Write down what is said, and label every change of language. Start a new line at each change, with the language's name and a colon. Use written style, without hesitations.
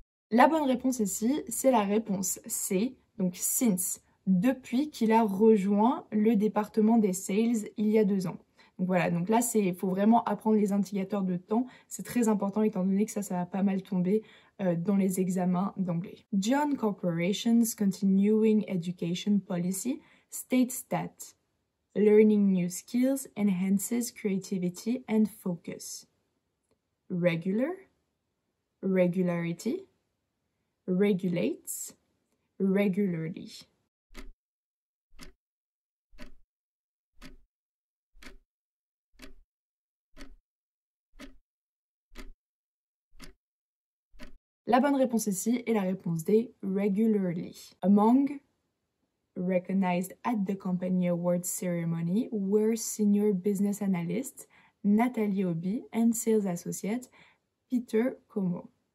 French: La bonne réponse ici, c'est la réponse C, donc since, depuis qu'il a rejoint le département des sales il y a 2 ans. Donc voilà, donc là, il faut vraiment apprendre les indicateurs de temps. C'est très important étant donné que ça, ça va pas mal tomber dans les examens d'anglais.
English: John Corporation's Continuing Education Policy states that learning new skills enhances creativity and focus. Regular, regularity. Regulates regularly.
French: La bonne réponse ici est la réponse D, regularly.
English: Among, recognized at the company awards ceremony, were senior business analyst Nathalie Obi and sales associate Peter Como.